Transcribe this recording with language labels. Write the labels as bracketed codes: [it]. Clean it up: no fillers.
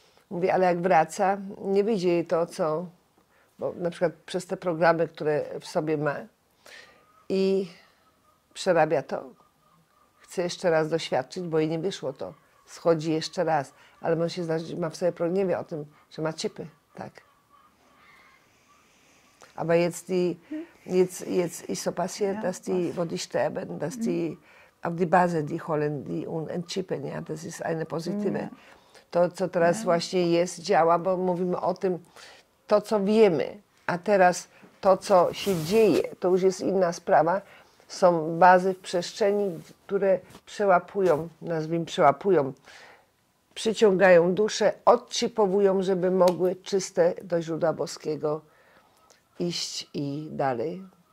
[pl] Mówię, ale jak wraca, nie wyjdzie jej to, co, bo na przykład przez te programy, które w sobie ma i przerabia to, chce jeszcze raz doświadczyć, bo jej nie wyszło to, schodzi jeszcze raz, ale może się zdarzyć, ma w sobie problem, nie wie o tym, że ma ciepy, tak. [de] Aber jetzt ist so passiert, ja, dass die, was? Wo die sterben, dass die auf die Base die holen die und entchippen, ja, das ist eine positive. [pl] Ja. To, co teraz ja. właśnie jest, działa, bo mówimy o tym, to, co wiemy, a teraz to, co się dzieje, to już jest inna sprawa, są bazy w przestrzeni, które przełapują, nazwijmy przełapują, przyciągają duszę, odchipowują, żeby mogły czyste do źródła boskiego iść i dalej.